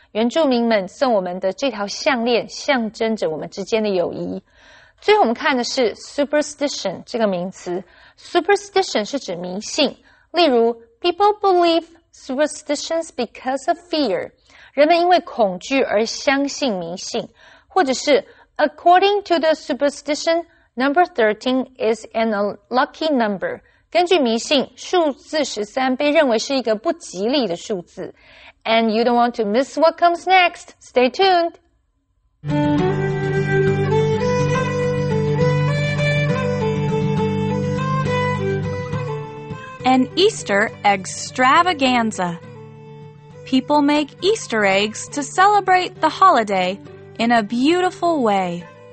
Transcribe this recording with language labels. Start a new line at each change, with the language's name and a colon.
Chinese: 原住民们送我们的这条项链象征着我们之间的友谊。最后我们看的是 superstition 这个名词。superstition 是指迷信。例如
English: ,people believe superstitions because of fear.
Chinese: 人们因为恐惧而相信迷信。或者是
English: ,according to the superstition, number 13 is an unlucky number.
Chinese: 根据迷信数字13被认为是一个不吉利的数字。
English: And you don't want to miss what comes next. Stay tuned. An Easter extravaganza. People make Easter eggs to celebrate the holiday in a beautiful way.